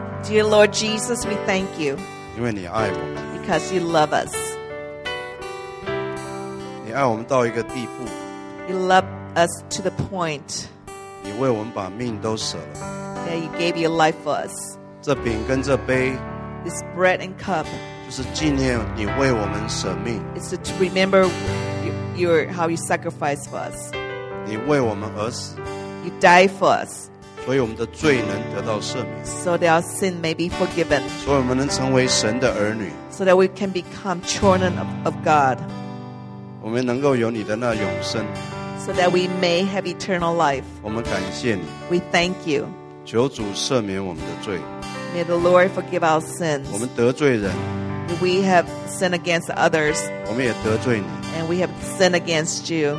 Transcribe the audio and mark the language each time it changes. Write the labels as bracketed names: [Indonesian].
[English] Dear Lord Jesus, we thank you. [Chinese] 因为你爱我们。 [English] Because you love us. [Chinese] 你爱我们到一个地步。 [English] You love us to the point. [Chinese] 你为我们把命都舍了。 [English] That you gave your life for us. [Chinese] 这饼跟这杯。 [English] This bread and cup. [Chinese] 就是纪念你为我们舍命。 [English] It's to remember your how you sacrificed for us. [Chinese] 你为我们而死。 [English] You died for us. [Chinese] 所以我们的罪能得到赦免。 [English] So that our sin may be forgiven. [Chinese] 所以我们能成为神的儿女。 [English] So that we can become children of God. [Chinese] 我们能够有你的那永生。 [English] So that we may have eternal life. [Chinese] 我们感谢你。 [English] We thank you. [Chinese] 求主赦免我们的罪。 [English] May the Lord forgive our sins. [Chinese] 我们得罪人。 [English] We have sinned against others. [Chinese] 我们也得罪你。 [English] And we have sinned against you.